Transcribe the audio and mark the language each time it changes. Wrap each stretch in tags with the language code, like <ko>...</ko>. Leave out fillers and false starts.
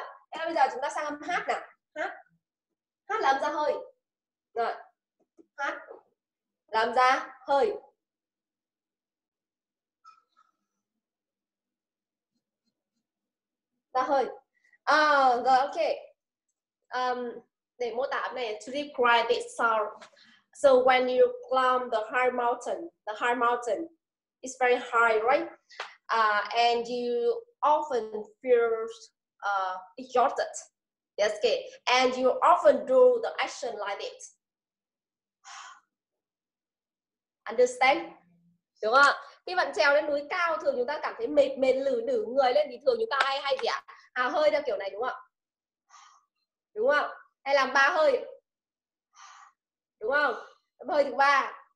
<vi>Thế là bây giờ chúng ta sang âm hát nào, hát, hát là âm ra hơi, rồi, hát, làm ra hơi. Ra hơi, rồi ok, để mô tả này,</vi> <en>to describe it sound. So when you climb the high mountain, it's very high, right? And you often feel exhausted. Yes, okay. And you often do the action like it. Understand?</en> <vi>Đúng không? Khi bạn trèo lên núi cao, thường chúng ta cảm thấy mệt, mệt lử nử người lên thì thường chúng ta hay gì ạ? À hơi theo kiểu này đúng không? Đúng không? Hay làm ba hơi? Đúng không? Hơi thứ ba.</vi>